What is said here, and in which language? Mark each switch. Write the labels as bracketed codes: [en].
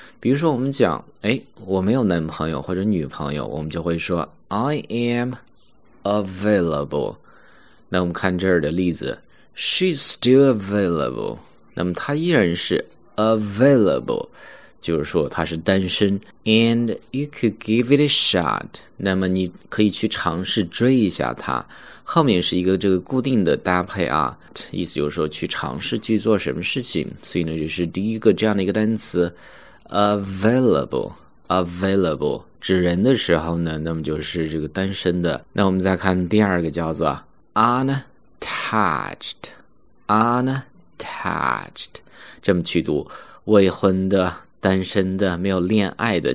[zh] 比如说我们讲我没有男朋友或者女朋友，我们就会说 [en] I am available。 [zh] 那我们看这儿的例子， [en] She's still available， [zh] 那么她依然是 available，就是说他是单身。 [en] And you could give it a shot， [zh] 那么你可以去尝试追一下他。后面是一个这个固定的搭配啊，意思就是说去尝试去做什么事情。所以呢就是第一个这样的一个单词 available， 指人的时候呢，那么就是这个单身的。那我们再看第二个，叫做 untouched， 这么去读，未婚的，单身的，没有恋爱的。